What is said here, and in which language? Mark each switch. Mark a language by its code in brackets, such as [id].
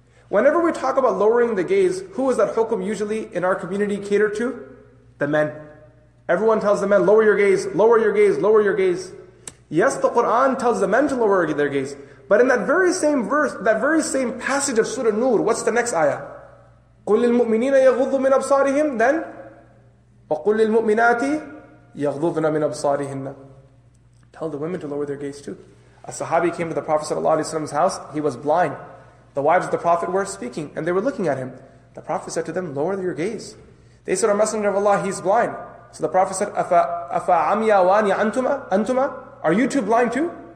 [en] Whenever we talk about lowering the gaze, who is that hukum usually in our community catered to? The men. Everyone tells the men, lower your gaze, lower your gaze, lower your gaze. Yes, the Qur'an tells the men to lower their gaze. But in that very same verse, that very same passage of Surah Nur, what's the next ayah? [ar] قُلْ لِلْمُؤْمِنِينَ يَغُضُّ مِنْ أَبْصَارِهِمْ [en] Then, [ar] وَقُلْ لِلْمُؤْمِنَاتِ يَغْضُضْنَ مِنْ أَبْصَارِهِنَّ [en] Tell the women to lower their gaze too. A sahabi came to the Prophet ﷺ's house, he was blind. The wives of the Prophet were speaking and they were looking at him. The Prophet said to them, lower your gaze. They said, O Messenger of Allah, he's blind. So the Prophet said, [ar] أَفَعَمْيَوَانِ أَنْتُمَا [en] Are you too blind too?